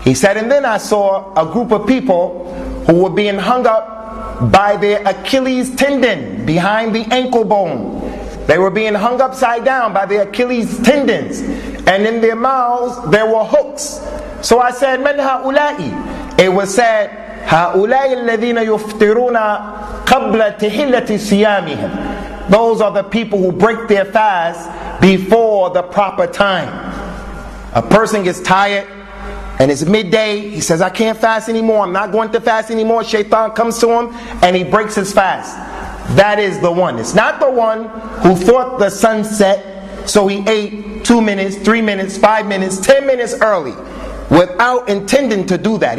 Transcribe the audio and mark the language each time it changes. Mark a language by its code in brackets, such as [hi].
[en] He said, and then I saw a group of people who were being hung up by their Achilles tendon behind the ankle bone. They were being hung upside down by their Achilles tendons, and in their mouths there were hooks. So I said, [ar] من هؤلاء? [en] It was said, [ar] هؤلاء الذين يفطرون قبل تحلة صيامهم. [en] Those are the people who break their fast before the proper time. A person gets tired and it's midday, he says, I can't fast anymore, I'm not going to fast anymore. Shaitan comes to him and he breaks his fast. That is the one. It's not the one who thought the sun set, so he ate 2 minutes, 3 minutes, 5 minutes, 10 minutes early without intending to do that.